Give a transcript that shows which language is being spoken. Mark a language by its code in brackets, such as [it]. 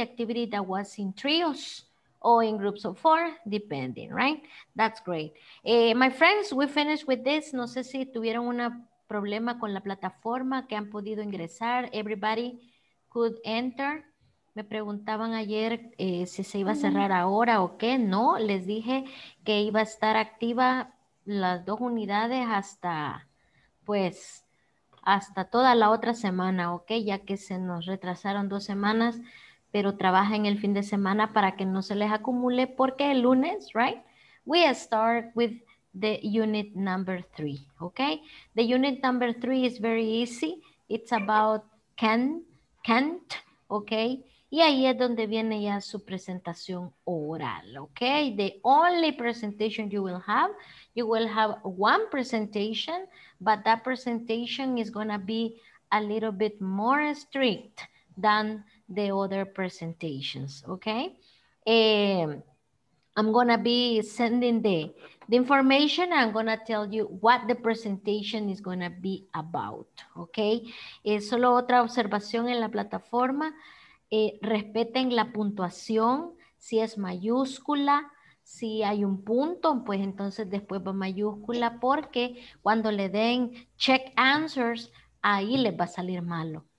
[en] The activity that was in trios or in groups of four, depending, right? That's great. My friends, we finished with this. [es] No sé si tuvieron un problema con la plataforma, que han podido ingresar. [en] Everybody could enter. [es] Me preguntaban ayer si se iba a cerrar ahora o qué. No, les dije que iba a estar activa las dos unidades hasta toda la otra semana, ¿ok? Ya que se nos retrasaron dos semanas, pero trabajen el fin de semana para que no se les acumule, porque el lunes, [en] right? We start with the unit number three, ¿ok? The unit number three is very easy. It's about can't, ¿ok? [es] Y ahí es donde viene ya su presentación oral, ¿ok? [en] The only presentation you will have one presentation, but that presentation is going to be a little bit more strict than the other presentations, okay? I'm going to be sending the information, and I'm going to tell you what the presentation is going to be about, okay? [es] Solo otra observación en la plataforma, respeten la puntuación, si es mayúscula. Si hay un punto, pues entonces después va mayúscula, porque cuando le den check answers, ahí les va a salir malo.